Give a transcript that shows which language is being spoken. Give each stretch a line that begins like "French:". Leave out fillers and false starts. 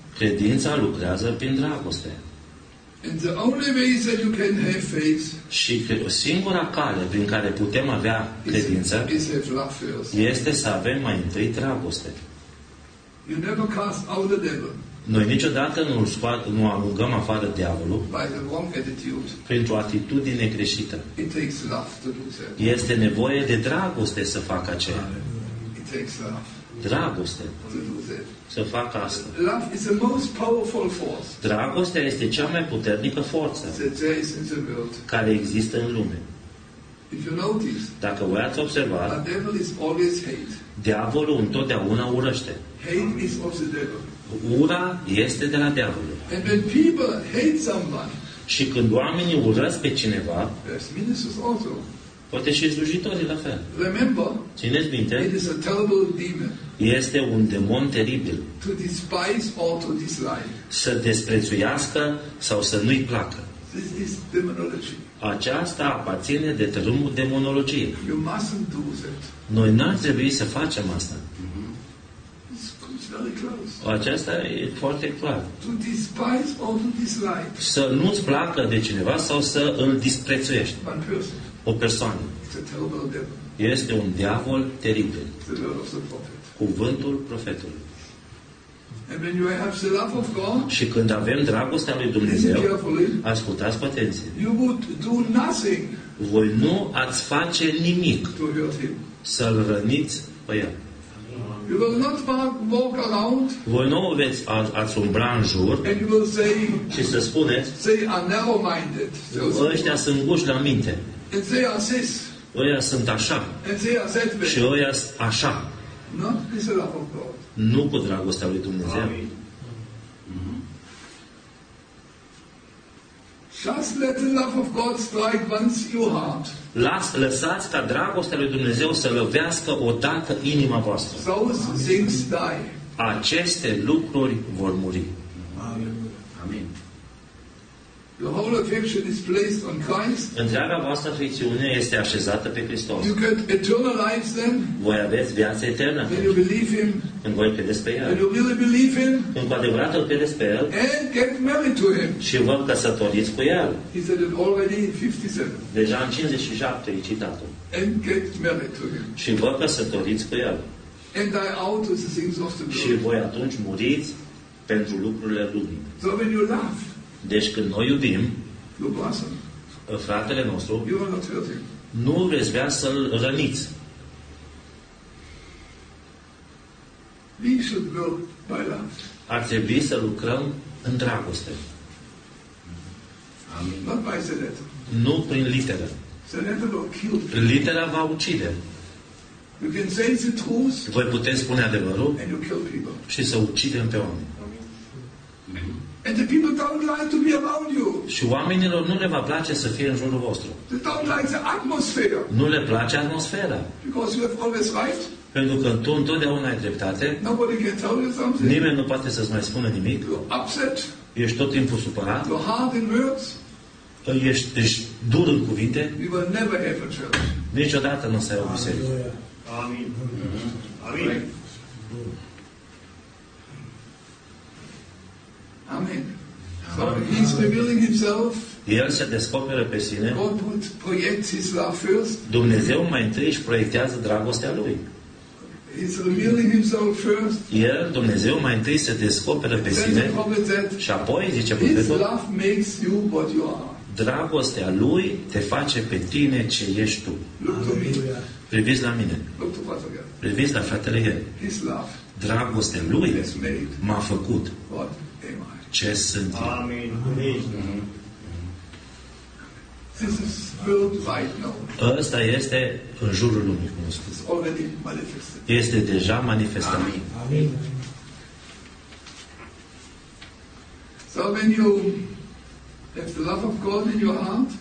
Romanian: Credința lucrează prin dragoste.
English: And the only way is that you can have faith.
Romanian: Și singura cale prin care putem avea credință este să avem mai întâi dragoste.
English: You never cast out the devil.
Romanian: Noi niciodată nu alungăm afară diavolul
English: by the wrong attitude.
Romanian: Printr-o atitudine greșită.
English: It takes love to do that.
Romanian: Este nevoie de dragoste să facă aceea.
English: It takes love.
Romanian: Dragoste. Să fac asta.
English: Love is the most powerful force.
Romanian: Dragostea este cea mai puternică forță care există în lume.
English: If you notice,
Romanian: dacă voi ați observat,
English: the devil is always hate.
Romanian: Diavolul întotdeauna urăște.
English: Hate is of the devil.
Romanian: Ura este de la diavol.
English: And when people hate somebody,
Romanian: și când oamenii urăsc pe cineva,
English: yes, ministers also,
Romanian: Poate și slujitorii la fel.
English: Remember,
Romanian: țineți minte,
English: it is a terrible demon.
Romanian: Este un demon teribil.
English: To despise or to dislike.
Romanian: Să desprețuiască sau să nu-i placă.
English: This is demonology.
Romanian: Aceasta aparține de drumul demonologiei.
English: You mustn't do that.
Romanian: Noi n-ar trebui să facem asta.
English: Very close.
Romanian: Aceasta e foarte clar.
English: To despise or to dislike.
Romanian: Să nu-ți placă de cineva sau să îl disprețuiești. O persoană. Este un diavol teribil. Cuvântul profetului.
English: And when you have the love of God,
Romanian: și când avem dragostea lui Dumnezeu, ascultați cu atenție.
English: You would do nothing.
Romanian: Voi nu ați face nimic să-l răniți pe el.
English: You will not walk around.
Romanian: Voi nu veți ați umbla în jur.
English: And you will say,
Romanian: și să spuneți,
English: they are narrow-minded.
Romanian: Ăștia sunt guși la minte.
English: And they are this.
Romanian: Ăia sunt așa.
English: And they are that way.
Romanian: Și ăia sunt așa.
English: Not with the love of God.
Romanian: Nu cu dragostea lui Dumnezeu. Amen.
English: Just let the love of God strike once your heart.
Romanian: Lăsați ca dragostea lui Dumnezeu să lovească odată inima voastră.
English: Those things die.
Romanian: Aceste lucruri vor muri. Amen.
English: Your whole affection is placed on Christ.
Romanian: Întreaga voastră afecțiune este așezată pe Hristos.
English: You get eternal life then.
Romanian: Voi aveți viață eternă.
English: When you believe him.
Romanian: Când voi credeți pe el.
English: When you really believe him.
Romanian: Când cu adevărat îl credeți pe el.
English: And get married to him.
Romanian: Și vă căsătoriți cu el.
English: He said it already in 57.
Romanian: Deja în 57 e citatul.
English: And get married to him.
Romanian: Și vă căsătoriți cu el.
English: And die out with the things of the world.
Romanian: Și voi atunci muriți pentru lucrurile lumii.
English: So when you love.
Romanian: Deci când noi iubim,
English: awesome.
Romanian: Fratele nostru,
English: you are not hurting.
Romanian: Nu vreți vrea să-l răniți.
English: We should work by love.
Romanian: Ar trebui să lucrăm în dragoste.
English: Amin. Not by the letter.
Romanian: Nu prin literă.
English: The letter will kill.
Romanian: Litera va ucide.
English: You can say the truth.
Romanian: Voi puteți spune adevărul
English: and you kill people.
Romanian: Și să ucidem pe oameni. Amin.
English: And the people don't like to be around you.
Romanian: Și oamenilor nu le va place să fie în jurul vostru.
English: They don't like the atmosphere.
Romanian: Nu le place atmosfera.
English: Because you have always right.
Romanian: Pentru că tu întotdeauna ai dreptate.
English: Nobody can tell you something.
Romanian: Nimeni nu poate să-ți mai spună nimic.
English: You're upset.
Romanian: Ești tot timpul supărat.
English: You're hard in words.
Romanian: Ești dur în cuvinte.
English: We will never have a church.
Romanian: Niciodată nu o să ai o biserică. Amin. Amin. Amen.
English: So he's revealing himself.
Romanian: El se descoperă pe sine.
English: God would project his love first.
Romanian: Dumnezeu mai întâi își proiectează dragostea lui.
English: He's revealing himself first.
Romanian: El, Dumnezeu mai întâi se descoperă pe sine. Și apoi zice profetul.
English: His love makes you what you are.
Romanian: Dragostea lui te face pe tine ce ești tu. Priviți la mine. Priviți la fratele
English: el. His love.
Romanian: Dragostea lui m-a făcut. Ce sunt eu?
English: This is worldwide now.
Romanian: Ăsta este în jurul lumii, cum spus.
English: It's already manifested.
Romanian: Este deja manifestat. Amin.
English: So when you have the love of God in your heart,